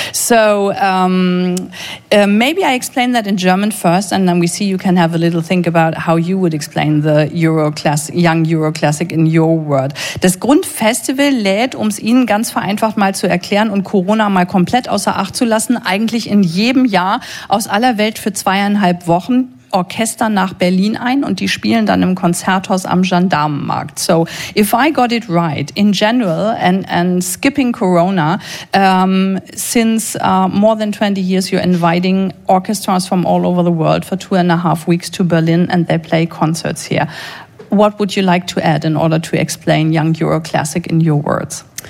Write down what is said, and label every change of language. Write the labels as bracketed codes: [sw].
[en] So maybe I explain that in German first, and then we see you can have a little think about how you would explain the Young Euro Classic in your word. [de] Das Grundfestival lädt, um es Ihnen ganz vereinfacht mal zu erklären und Corona mal komplett außer Acht zu lassen, eigentlich in jedem Jahr aus aller Welt für 2,5 Wochen Orchester nach Berlin ein und die spielen dann im Konzerthaus am Gendarmenmarkt. [en] So, if I got it right, in general and skipping Corona, more than 20 years, you're inviting orchestras from all over the world for 2.5 weeks to Berlin and they play concerts here. What would you like to add in order to explain Young Euro Classic in your words?